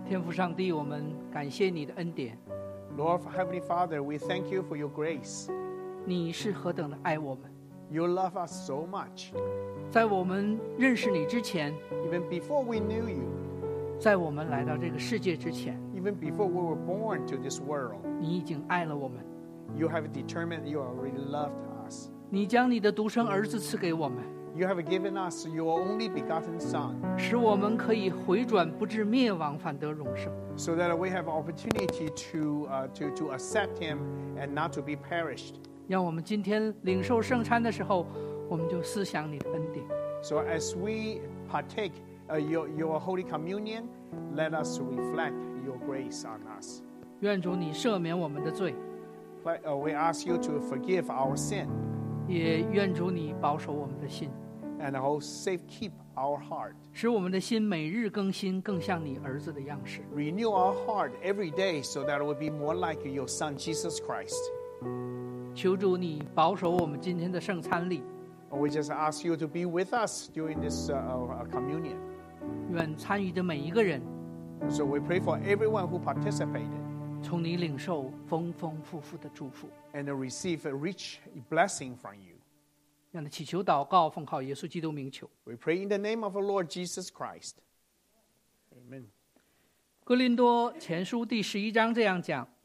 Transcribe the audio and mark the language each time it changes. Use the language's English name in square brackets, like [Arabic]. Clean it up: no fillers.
[Chinese] 上帝，我们感谢你的恩典。 [English] Lord Heavenly Father, we thank you for your grace. [Chinese] 你是何等的爱我们。 [English] You love us so much. [Chinese] 在我们认识你之前。 [English] Even before we knew you. [Chinese] 在我们来到这个世界之前。 [English] Even before we were born to this world. [Chinese] 你已经爱了我们。 [English] You have determined you already loved us. [Chinese] 你将你的独生儿子赐给我们。 [English] You have given us your only begotten Son, [Chinese] 使我们可以回转不至灭亡反得永生。 [English] So that we have opportunity to accept Him and not to be perished. [Chinese] 让我们今天领受圣餐的时候，我们就思想你的恩典。 [English] So as we partake your Holy Communion, let us reflect your grace on us. [Chinese] 愿主你赦免我们的罪。 [English] We ask you to forgive our sin. [Chinese] 也愿主你保守我们的心 [English] and hold safe keep our heart [Chinese] 使我们的心每日更新更像你儿子的样式 [English] renew our heart every day so that it will be more like your son Jesus Christ [Chinese] 求主你保守我们今天的圣餐礼 [English] we just ask you to be with us during this communion [Chinese] 愿参与的每一个人 [English] so we pray for everyone who participated [Chinese] 从你领受丰丰富富的祝福 [English] and receive a rich blessing from you. [Chinese] 让你祈求祷告奉靠耶稣基督名求 [English] We pray in the name of the Lord Jesus Christ. Amen. [Chinese] 哥林多前书第十一章这样讲